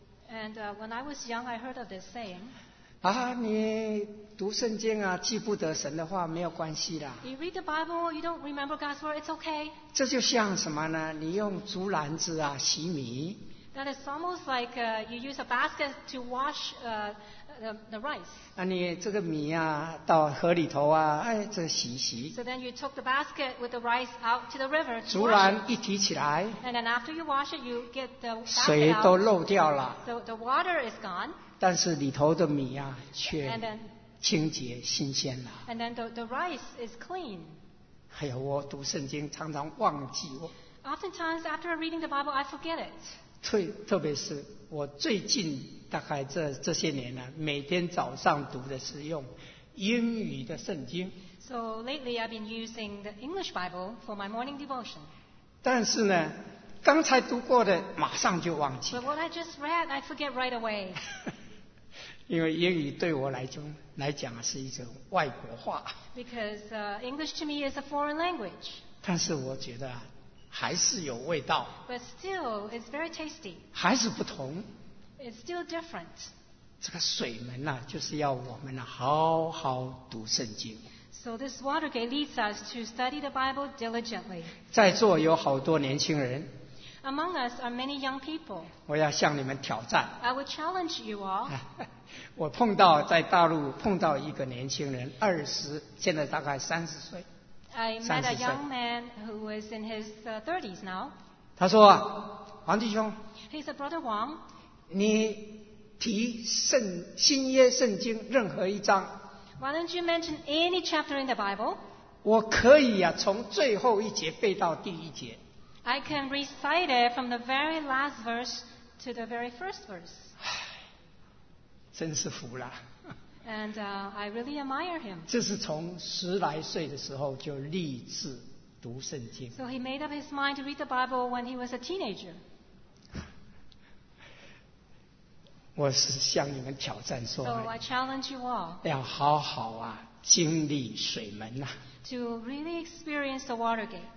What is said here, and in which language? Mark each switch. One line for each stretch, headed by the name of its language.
English: And、when I was young, I heard of this saying.
Chinese: 啊，你读圣经啊，记不得神的话没有关系啦。
English: You read the Bible, you don't remember God's word, it's okay.
Chinese: 这就像什么呢？你用竹篮子啊洗米。
English: That is almost like、you use a basket to wash、the rice.
Chinese: 那、啊、你这个米啊到河里头啊，哎，这个、洗一洗。
English: So then you took the basket with the rice out to the river.
Chinese: 竹篮一提起来。
English: And then after you wash it, you get the basket out.
Chinese: 水都漏掉了。
English: So the water is gone.
Chinese: 但是里头的米啊却清洁新鲜了。
English: And then the rice is clean.
Chinese: 哎呀，我读圣经常常忘记我。
English: Oftentimes after reading the Bible, I forget it.
Chinese: 特别是我最近大概 这些年呢，每天早上读的是用英语的圣经。
English: So lately I've been using the English Bible for my morning devotion.
Chinese: 但是呢，刚才读过的马上就忘记了。
English: But what I just read, I forget right away.
Chinese: 因为英语对我来讲是一种外国话。
English: Because English to me is a foreign language.
Chinese: 但是我觉得还是有味道。
English: But still, it's very tasty.
Chinese: 还是不同。
English: It's still different.
Chinese: 这个水门呢、啊，就是要我们好好读圣经。
English: So this water gate leads us to study the Bible diligently.
Chinese: 在座有好多年轻人。
English: Among us are many young people.
Chinese: 我要向你们挑战。
English: I will challenge you all.
Chinese: 我碰到在大陆碰到一个年轻人，二十，现在大概三十岁。
English: I met a young man who was in his thirties now.
Chinese: 他说、啊：“王弟兄。”
English: He's a brother Wang.
Chinese: 你提新约圣经任何一章，
English: Why don't you mention any chapter in the Bible?
Chinese: 我可以、啊、从最后一节背到第一节。
English: I can recite it from the very last verse to the very first verse.
Chinese: 真是服了。
English: And I really admire him.
Chinese: 这是从十来岁的时候就立志读圣经。
English: So he made up his mind to read the Bible when he was a teenager.
Chinese: 我是向你们挑战说、
English: so、I challenge you all,
Chinese: 要好好啊经历水门啊
English: to really experience the water gate.